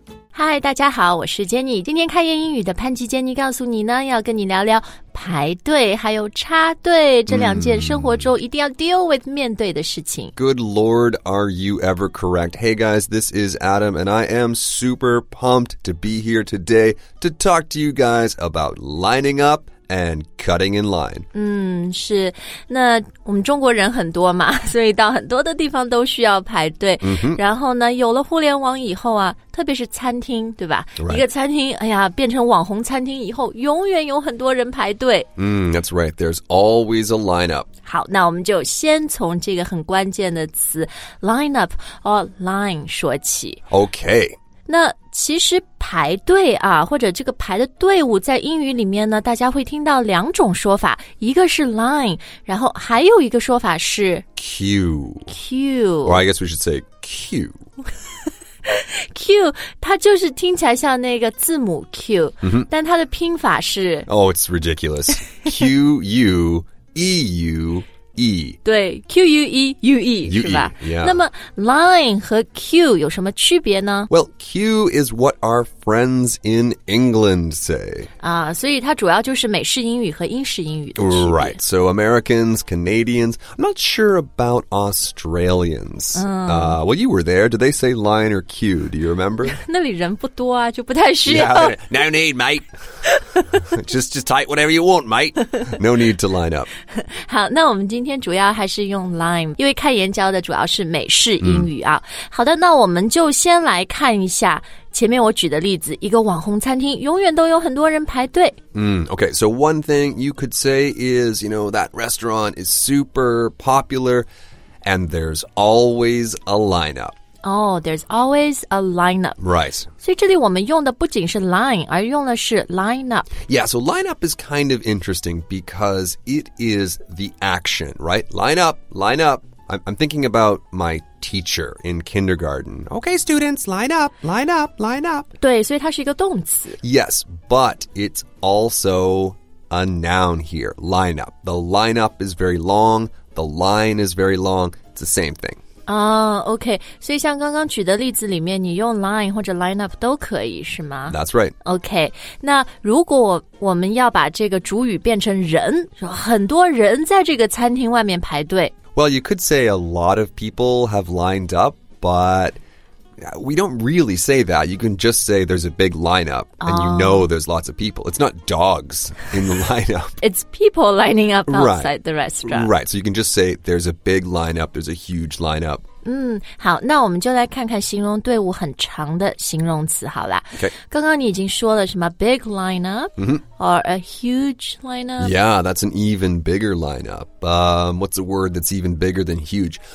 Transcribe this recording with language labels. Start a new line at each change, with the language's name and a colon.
Chinese: 嗨，大家好，我是 Jenny。今天开言英语的潘吉 Jenny 告诉你呢，要跟你聊聊排队还有插队这两件生活中一定要
English: deal with
Chinese: 面对的事情。
English: Good Lord, are you ever correct? Hey guys, this is Adam and I am super pumped to be here today to talk to you guys about lining up and cutting in line.
Chinese: 是，那我们中国人很多嘛，所以到很多的地方都需要排队。然后呢，有了互联网以后啊，特别是餐厅，对吧？
English: Right.
Chinese: 一个餐厅，哎呀，变成网红餐厅以后，永远有很多人排队。
English: That's right. There's always a lineup.
Chinese: 好，那我们就先从这个很关键的词 lineup or line 说起。
English: Okay.
Chinese: 那其实排队啊，或者这个排的队伍，在英语里面呢，大家会听到两种说法，一个是 line， 然后还有一个说法是
English: queue。 queue， or I guess we should say queue。
Chinese: queue， 它就是听起来像那个字母 Q，但它的拼法是
English: oh， it's ridiculous， Q U E U。 E. 对 Q-U-E-U-E, U-E
Chinese: 是吧、
English: yeah.
Chinese: 那么 line 和 queue 有什么区别呢
English: Well, queue is what our friends in England say、
Chinese: 所以它主要就是美式英语和英式英语的区别
English: Right, so Americans, Canadians I'm not sure about Australians、Well, you were there, did they say line or queue, do you remember?
Chinese: 那里人不多啊就不太需要
English: yeah, No need, mate just type whatever you want, mate No need to line up
Chinese: 好那我们今天主要还是用 line 因为开言教的主要是美式英语啊。好的那我们就先来看一下前面我举的例子一个网红餐厅永远都有很多人排队
English: Okay, so one thing you could say is you know, that restaurant is super popular and there's always a lineup Oh, there's always a lineup Right
Chinese: 所以这里我们用的不仅是 line 而用的是 lineup
English: Yeah, so lineup is kind of interesting because it is the action, right? Line up I'm thinking about my teacher in kindergarten Okay, students, line up
Chinese: 对,所以它是一个动词
English: Yes, but it's also a noun here, lineup The lineup is very long, the line is very long It's the same thing
Chinese: OK, 所以像刚刚举的例子里面你用 line 或者 line up 都可以是吗
English: That's right
Chinese: OK, 那如果我们要把这个主语变成人很多人在这个餐厅外面排队
English: Well, you could say a lot of people have lined up, but we don't really say that You can just say there's a big lineup and you know there's lots of people It's not dogs in the lineup It's people lining up outside right, the restaurant Right, so you can just say there's a big lineup There's a huge lineup
Chinese: 好那我们就来看看形容队伍很长的形容词好了、
English: okay.
Chinese: 刚刚你已经说了什么
English: big lineup、or a huge lineup Yeah, that's an even bigger lineup What's a word that's even bigger than huge?